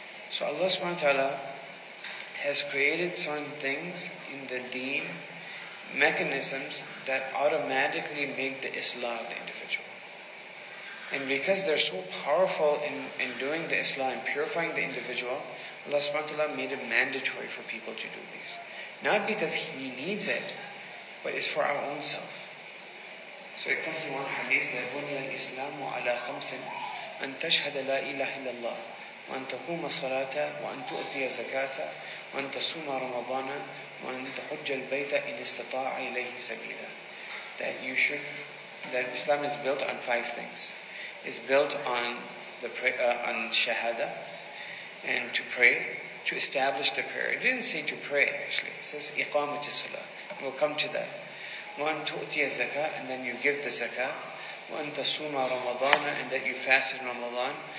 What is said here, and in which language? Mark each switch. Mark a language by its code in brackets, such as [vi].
[en] So Allah subhanahu wa ta'ala has created certain things in the deen, mechanisms that automatically make the islah of the individual. And because they're so powerful in doing the islah and purifying the individual, Allah subhanahu wa ta'ala made it mandatory for people to do these. Not because he needs it, but it's for our own self. So it comes in one hadith that [ar] بُنِيَ الْإِسْلَامُ عَلَىٰ خَمْسٍ أَن تَشْهَدَ لَا إِلَهِ إِلَّا اللَّهِ وَأَن تَقُومَ صَلَاتَ وَأَن تُؤْتِيَ زَكَاتَ وَأَن تَصُومَ رَمَضَانَ وَأَن تَحُجَّ الْبَيْتَ إِنِ اسْتَطَاعَ إِلَيْهِ سَبِيلًا. [en] That you should, that Islam is built on five things. It's built on the on shahada, and to pray, to establish the prayer. It didn't say to pray, actually. It says iqamati salah. We'll come to that. [ar] وَأَن تُؤْتِيَ الزَّكَاةَ, [en] and then you give the zakah. [ar] وَأَن تَصُومَ رَمَضَانَ, [en] and that you fast in Ramadan.